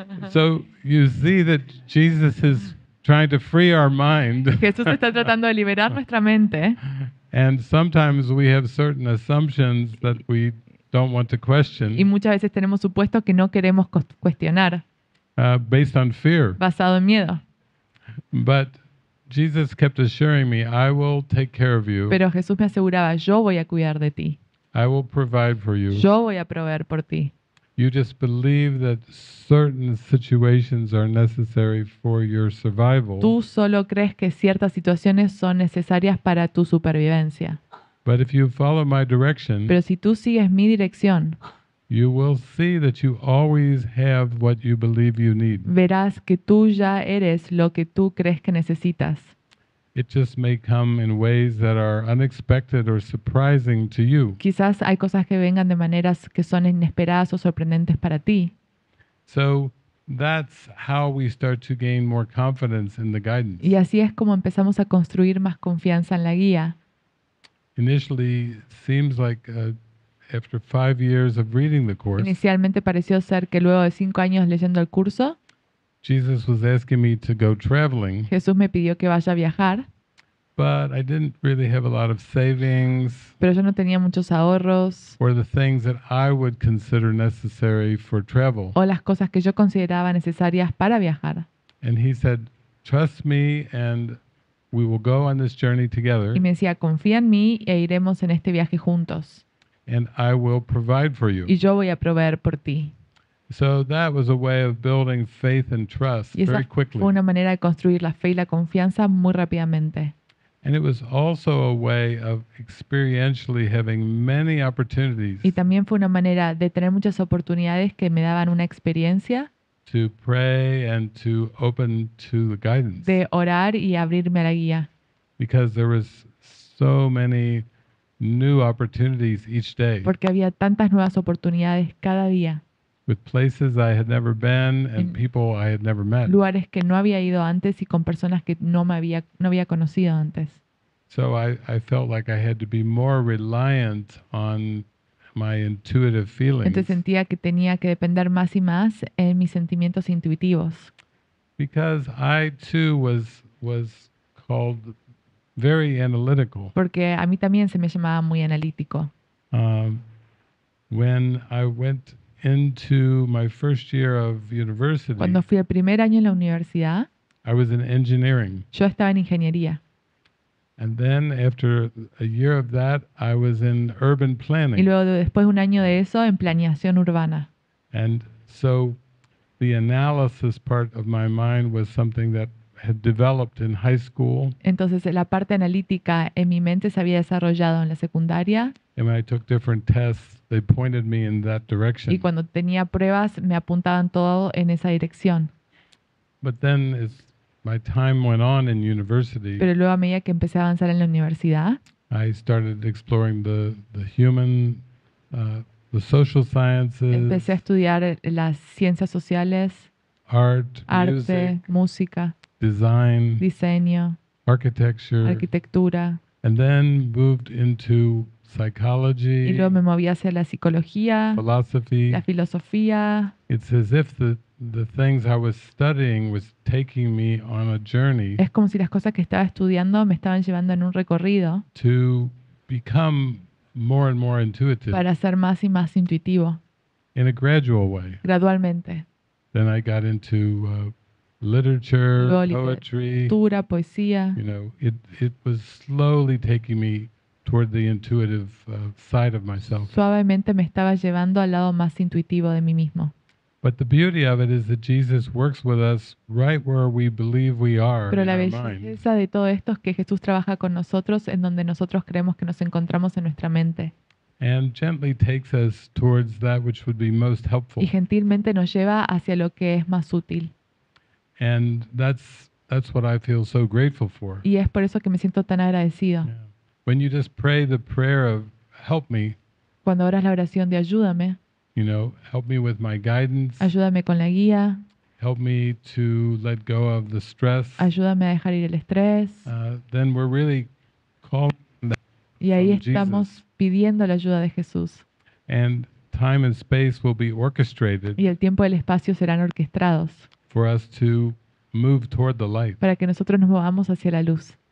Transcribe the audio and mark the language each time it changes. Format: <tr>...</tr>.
<en>So you see that Jesus is trying to free our mind.</en> <es>Jesús está tratando de liberar nuestra mente.</es> <en>And sometimes we have certain assumptions that we don't want to question.</en> <es>Y muchas veces tenemos supuestos que no queremos cuestionar.</es> <en>Based on fear.</en> <es>Basado en miedo.</es> <en>But Jesus kept assuring me, I will take care of you.</en> <es>Pero Jesús me aseguraba, yo voy a cuidar de ti.</es> <en>I will provide for you.</en> <es>Yo voy a proveer por ti.</es> <en>You just believe that certain situations are necessary for your survival.</en> <es>Tú solo crees que ciertas situaciones son necesarias para tu supervivencia.</es> <en>But if you follow my direction,</en> <es>pero si tú sigues mi dirección,</es> <en>you will see that you always have what you believe you need.</en> <es>Verás que tú ya eres lo que tú crees que necesitas.</es> <en>It just may come in ways that are unexpected or surprising to you.</en> <es>Quizás hay cosas que vengan de maneras que son inesperadas o sorprendentes para ti.</es> <en>So that's how we start to gain more confidence in the guidance.</en> <es>Y así es como empezamos a construir más confianza en la guía.</es> <en>Initially, it seems like after 5 years of reading the course.</en> <es>Inicialmente pareció ser que luego de 5 años leyendo el curso.</es> <en>Jesus was asking me to go traveling.</en> <es>Jesús me pidió que vaya a viajar.</es> <en>But I didn't really have a lot of savings.</en> <es>Pero yo no tenía muchos ahorros.</es> <en>Or the things that I would consider necessary for travel.</en> <es>O las cosas que yo consideraba necesarias para viajar.</es> <en>And he said, "Trust me and we will go on this journey together."</en> <es>Y me decía, "Confía en mí e iremos en este viaje juntos."</es> <en>"And I will provide for you."</en> <es>Y yo voy a proveer por ti.</es> <en>So that was a way of building faith and trust very quickly.</en> <es>Fue una manera de construir la fe y la confianza muy rápidamente.</es> <en>And it was also a way of experientially having many opportunities.</en> <es>Y también fue una manera de tener muchas oportunidades que me daban una experiencia.</es> <en>To pray and to open to the guidance.</en> <es>De orar y abrirme a la guía.</es> <en>Because there was so many new opportunities each day.</en> <es>Porque había tantas nuevas oportunidades cada día.</es> <en>With places I had never been and people I had never met.</en> <es>Lugares que no había ido antes y con personas que no había conocido antes.</es> <en>So I felt like I had to be more reliant on my intuitive feelings.</en> <es>Entonces sentía que tenía que depender más y más en mis sentimientos intuitivos.</es> <en>Because I too was called very analytical.</en> <es>Porque a mí también se me llamaba muy analítico.</es> <en>When I went into my first year of university.</en> <es>Cuando fui al primer año en la universidad,</es> <en>I was in engineering.</en> <es>Yo estaba en ingeniería.</es> <en>And then after a year of that, I was in urban planning.</en> <es>Y luego después de un año de eso en planeación urbana.</es> <en>And so the analysis part of my mind was something that had developed in high school.</en> <es>Entonces la parte analítica en mi mente se había desarrollado en la secundaria.</es> <en>And when I took different tests, they pointed me in that direction.</en> <es>Y cuando tenía pruebas, me apuntaban todo en esa dirección.</es> <en>But then as my time went on in university,</en> <es>pero luego a medida que empecé a avanzar en la universidad,</es> <en>I started exploring the human, the social sciences,</en> <es>empecé a estudiar las ciencias sociales, arte,</es> <en>music, música, design,</en> <es>diseño, arquitectura,</es> <en>and then moved into psychology,</en> <es>y luego me moví hacia la psicología,</es> <en>philosophy,</en> <es>la filosofía.</es> <en>It's as if the things I was studying was taking me on a journey.</en> <es>Es como si las cosas que estaba estudiando me estaban llevando en un recorrido.</es> <en>To become more and more intuitive.</en> <es>Para ser más y más intuitivo.</es> <en>In a gradual way.</en> <es>Gradualmente.</es> <en>Then I got into literature,</en> <es>luego,</es> <en>poetry.</en> <es>Literatura, poesía.</es> <en>You know, it was slowly taking me toward the intuitive side of myself.</en> <es>Suavemente me estaba llevando al lado más intuitivo de mí mismo.</es> <en>But the beauty of it is that Jesus works with us right where we believe we are.</en> <es>Pero la belleza de todo esto es que Jesús trabaja con nosotros en donde nosotros creemos que nos encontramos en nuestra mente.</es> <en>And gently takes us towards that which would be most helpful.</en> <es>Y gentilmente nos lleva hacia lo que es más útil.</es> <en>And that's what I feel so grateful for.</en> <es>Y es por eso que me siento tan agradecido.</es> <en>Yeah. When you just pray the prayer of help me,</en> <es>cuando oras la oración de ayúdame,</es> <en>you know, help me with my guidance,</en> <es>ayúdame con la guía,</es> <en>help me to let go of the stress,</en> <es>ayúdame a dejar ir el estrés,</es> <en>then we're really calling that</en> <es>y ahí estamos pidiendo la ayuda de Jesús.</es> <en>And time and space will be orchestrated,</en> <es>y el tiempo y el espacio serán orquestrados,</es> <en>for us to move toward the light,</en> <es>para que nosotros nos movamos hacia la luz.</es>